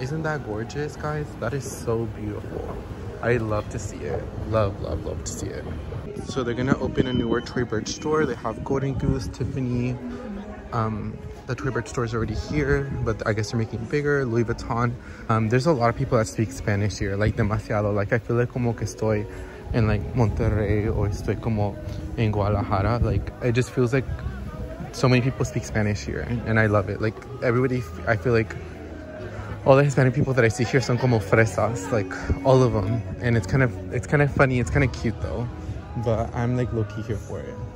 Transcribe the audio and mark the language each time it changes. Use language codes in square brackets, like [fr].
[en] Isn't that gorgeous, guys? That is so beautiful. I love to see it. Love, love, love to see it. So they're gonna open a newer Tory Burch store. They have Golden Goose, Tiffany. The Tory Burch store is already here, but I guess they're making it bigger, Louis Vuitton. There's a lot of people that speak Spanish here, like [es] demasiado. [en] Like, I feel like [es] como que estoy [en] in like Monterrey or [es] estoy como en Guadalajara. [en] Like, it just feels like so many people speak Spanish here, and I love it. Like, everybody, I feel like all the Hispanic people that I see here [es] son como fresas, [en] like, all of them. And it's kind of funny, it's kind of cute though. But I'm like low-key here for it.